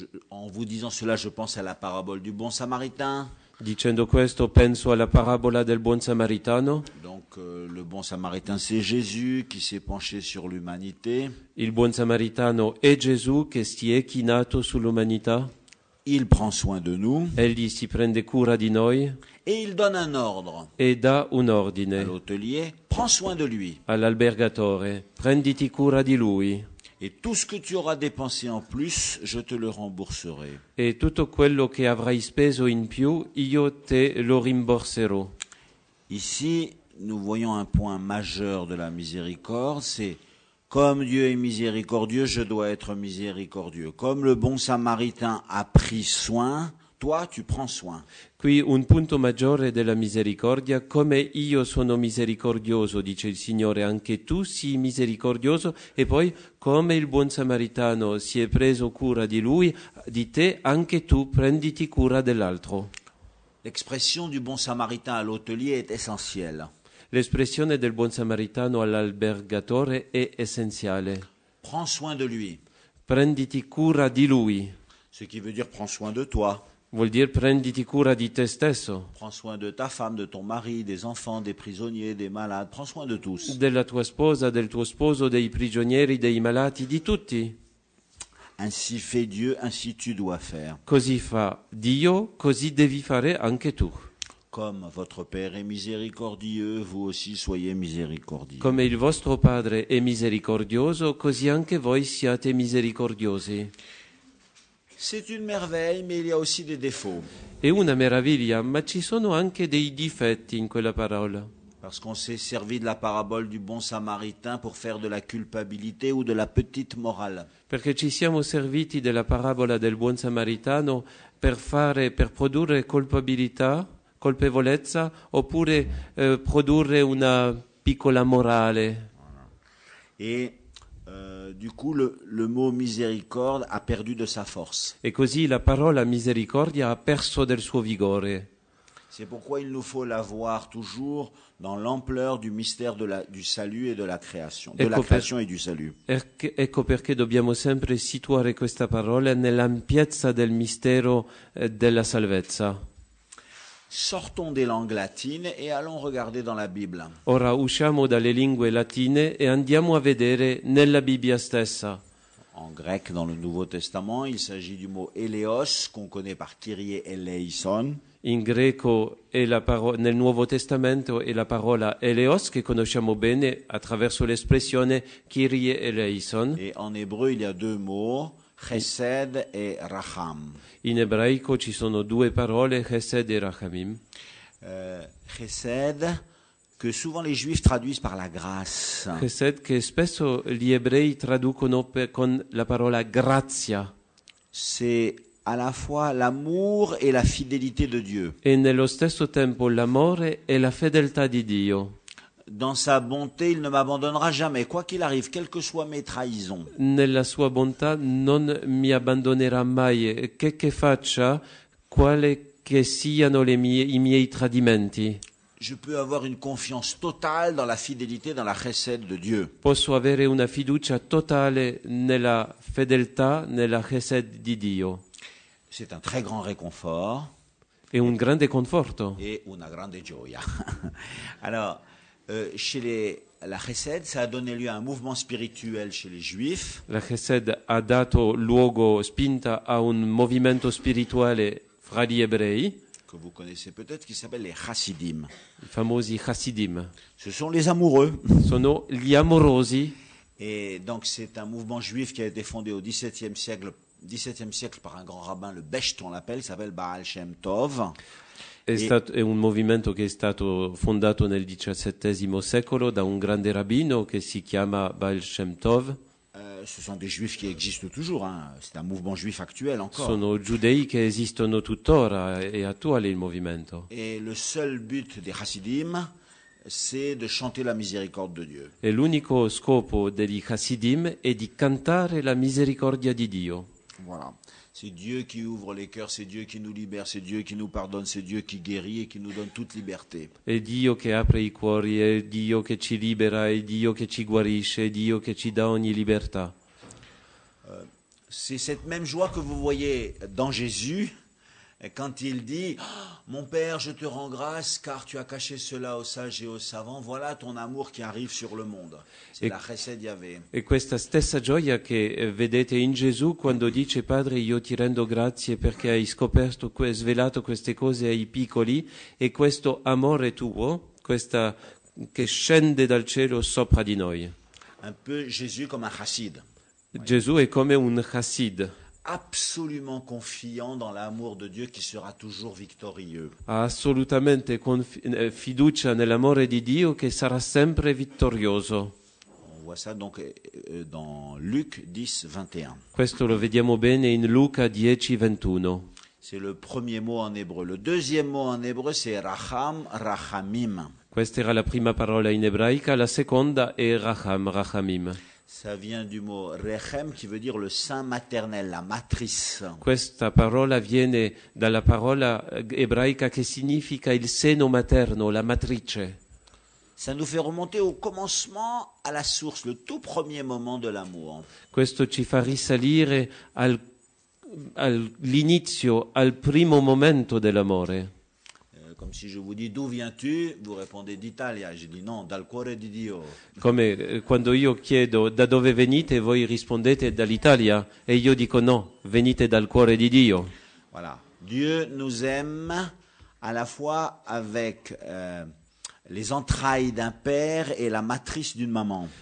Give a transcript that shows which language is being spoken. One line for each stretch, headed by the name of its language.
French: En vous disant cela, je pense à la parabole du bon samaritain.
Italian: Dicendo questo, penso alla parabola del buon samaritano.
French: Donc le bon samaritain, c'est Jésus qui s'est penché sur l'humanité.
Italian: Il buon samaritano è Gesù che si è chinato sull'umanità.
French: Il prend soin de nous.
Italian: Egli si prende cura di noi.
French: Et il donne un ordre.
Italian: E dà un ordine.
French: All'hôtelier, prends soin de lui.
Italian: All'albergatore, prenditi cura di lui.
French: Et tout ce que tu auras dépensé en plus, je te le rembourserai.
Italian: E tutto quello che avrai speso in più, io te lo rimborserò.
French: Ici, nous voyons un point majeur de la miséricorde, c'est comme Dieu est miséricordieux, je dois être miséricordieux. Comme le bon samaritain a pris soin, toi tu prends soin.
Italian: Qui un punto maggiore della misericordia, come io sono misericordioso, dice il Signore, anche tu sii misericordioso, e poi come il buon samaritano si è preso cura di lui, di te, anche tu prenditi cura dell'altro.
French: L'expression du bon samaritain à l'hôtelier est essentielle.
Italian: L'espressione del buon samaritano all'albergatore è essenziale.
French: Prends soin de lui.
Italian: Prenditi cura di lui.
French: Ce qui veut dire prends soin de toi.
Italian: Vuol dire prenditi cura di te stesso.
French: Prends soin de ta femme, de ton mari, des enfants, des prigionniers, des malades. Prends soin de tous.
Italian: Della tua sposa, del tuo sposo, dei prigionieri, dei malati, di tutti.
French: Ainsi fait Dieu, ainsi tu dois faire.
Italian: Così fa Dio, così devi fare anche tu.
French: Comme votre Père est miséricordieux, vous aussi soyez miséricordieux.
Italian: Come il vostro padre è misericordioso, così anche voi siate misericordiosi.
French: C'est une merveille, mais il y a aussi des défauts.
Italian: È una meraviglia, ma ci sono anche dei difetti in quella parola.
French: Parce qu'on s'est servi de la parabole du bon samaritain pour faire de la culpabilité ou de la petite morale.
Italian: Perché ci siamo serviti della parabola del buon samaritano per fare, per produrre colpabilità, colpevolezza, oppure produrre una piccola morale.
French: Et du coup, le mot miséricorde a perdu de sa force.
Italian: Et così la parola misericordia ha perso del suo vigore.
French: C'est pourquoi il nous faut la voir toujours dans l'ampleur du mystère de la, du salut et de la création,
Italian: ecco
French: de la création et du salut.
Italian: Ecco perché dobbiamo sempre situare questa parola nell'ampiezza del mistero della salvezza.
French: Sortons des langues latines et allons regarder dans la Bible.
Italian: Ora usciamo dalle lingue latine e andiamo a vedere nella Bibbia stessa.
French: En grec, dans le Nouveau Testament, il s'agit du mot eleos, qu'on connaît par Kyrie eleison.
Italian: In greco è la parola, nel Nuovo Testamento è la parola eleos, che conosciamo bene attraverso l'espressione Kyrie eleison. E in ebreo
French: il y a deux mots, chesed e racham.
Italian: In ebraico ci sono due parole, chesed e rachamim.
French: Chesed, que souvent les juifs traduisent par la grâce.
Italian: Chesed, che spesso gli ebrei traducono con la parola grazia.
French: C'est à la fois l'amour et la fidélité de Dieu.
Italian: E nello stesso tempo l'amore e la fedeltà di Dio.
French: Dans sa bonté, il ne m'abandonnera jamais, quoi qu'il arrive, quelles que soient mes trahisons.
Italian: Nella sua bontà non mi abbandonerà mai, che faccia, quale che siano le mie, i miei tradimenti.
French: Je peux avoir une confiance totale dans la fidélité, dans la chesed de Dieu.
Italian: Posso avere una fiducia totale nella fedeltà, nella chesed di Dio.
French: C'est un très grand réconfort.
Italian: Et un grande conforto. Et una grande gioia.
French: Alors, chez les, la chesed, ça a donné lieu à un mouvement spirituel chez les juifs.
Italian: La chesed ha dato luogo, spinta a un movimento spirituale fra gli ebrei.
French: Que vous connaissez peut-être, qui s'appelle les chassidim.
Italian: I famosi chassidim.
French: Ce sont les amoureux.
Italian: Sono gli amorosi.
French: Et donc c'est un mouvement juif qui a été fondé au XVIIe siècle par un grand rabbin, le Becht, on l'appelle, il s'appelle Baal Shem Tov.
Italian: È un movimento che è stato fondato nel XVII secolo da un grande rabbino che si chiama Baal Shem Tov.
French: Ce sont des juifs qui existent toujours, hein. C'est un mouvement juif actuel encore.
Italian: Sono giudei che esistono tuttora e attuale il movimento.
French: Et le seul but des chassidim, c'est de chanter la miséricorde de Dieu.
Italian: E l'unico scopo degli chassidim è di cantare la misericordia di Dio.
French: Voilà. C'est Dieu qui ouvre les cœurs, c'est Dieu qui nous libère, c'est Dieu qui nous pardonne, c'est Dieu qui guérit et qui nous donne toute liberté.
Italian: È Dio che apre i cuori, è Dio che ci libera, è Dio che ci guarisce, è Dio che ci dà ogni libertà.
French: C'est cette même joie que vous voyez dans Jésus quand il dit mon père, je te rends grâce car tu as caché cela aux sages et aux savants, voilà ton amour qui arrive sur le monde. C'est la chesed Yahvé.
Italian: E questa stessa gioia che vedete in Gesù quando dice padre, io ti rendo grazie perché hai scoperto, svelato queste cose ai piccoli, e questo amore tuo, questa che scende dal cielo sopra di noi.
French: Un peu Jésus comme un chassid.
Italian: Gesù è come un chassid.
French: Absolument confiant dans l'amour de Dieu qui sera toujours victorieux.
Italian: Assolutamente fiducia nell'amore di Dio che sarà sempre vittorioso.
French: On voit ça donc dans Luc 10, 21.
Italian: Questo lo vediamo bene in Luca 10, 21.
French: C'est le premier mot en hébreu. Le deuxième mot en hébreu c'est racham, rachamim.
Italian: Questa era la prima parola in ebraica, la seconda è racham, rachamim.
French: Ça vient du mot rechem qui veut dire le sein maternel, la matrice.
Italian: Questa parola viene dalla parola ebraica che significa il seno materno, la matrice.
French: Ça nous fait remonter au commencement, à la source, le tout premier moment de l'amour.
Italian: Questo ci fa risalire all'inizio, al primo momento dell'amore.
French: Comme si je vous dis d'où viens-tu, vous répondez d'Italia. Je dis non,
Italian: dal cuore di Dio. Come quando io chiedo da dove venite, voi rispondete dall'Italia, e io dico no, venite dal cuore di Dio.
French: Voilà. Dieu nous aime à la fois avec les entrailles d'un père et la matrice d'une maman.